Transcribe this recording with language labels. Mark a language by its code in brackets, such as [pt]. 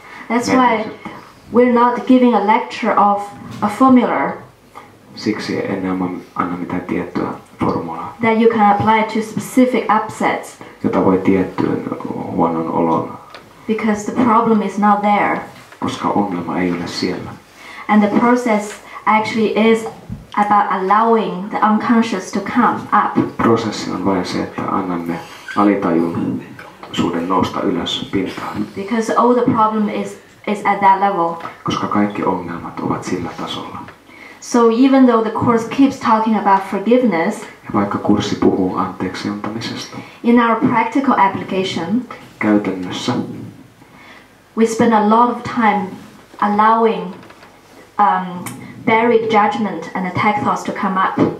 [en] That's why we're not giving a lecture of a formula. [fi] Siksi en anna mitään tiettyä formulaa. [en] That you can apply to specific upsets. [fi] Jota voi tiettyyn huonon olon. [en] Because the problem is not there. [fi] Koska ongelma ei ole siellä. [en] And the process actually is about allowing the unconscious to come up. [fi] Prosessi on vain se, että annamme alitajuisuuden nousta ylös pintaan. [en] Because all the problem is at that level. [fi] Koska kaikki ongelmat ovat sillä tasolla. [en] So even though the course keeps talking about forgiveness, [fi] ja vaikka kurssi puhuu anteeksi antamisesta, [en] in our practical application, [fi] käytännössä, [en] we spend a lot of time allowing buried judgment and attack thoughts to come up.